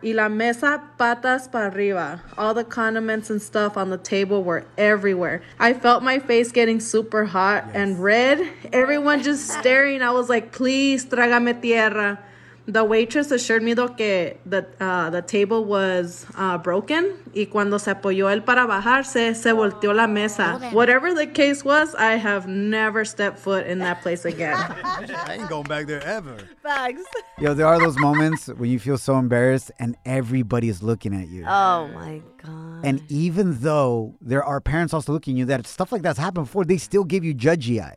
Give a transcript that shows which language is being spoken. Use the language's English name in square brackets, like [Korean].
[Spanish] Y la mesa patas para arriba. [English] All the condiments and stuff on the table were everywhere. I felt my face getting super hot. Yes. And red, everyone just staring. I was like, please, [Spanish] trágame tierra. [English] The waitress assured me though que the table was broken. [Spanish] Y cuando se apoyó él para bajarse, se volteó la mesa. [English] Whatever the case was, I have never stepped foot in that place again. I ain't going back there ever. Thanks. Yo, there are those moments when you feel so embarrassed and everybody is looking at you. Oh my God. And even though there are parents also looking at you, that stuff like that's happened before, they still give you judgy eyes.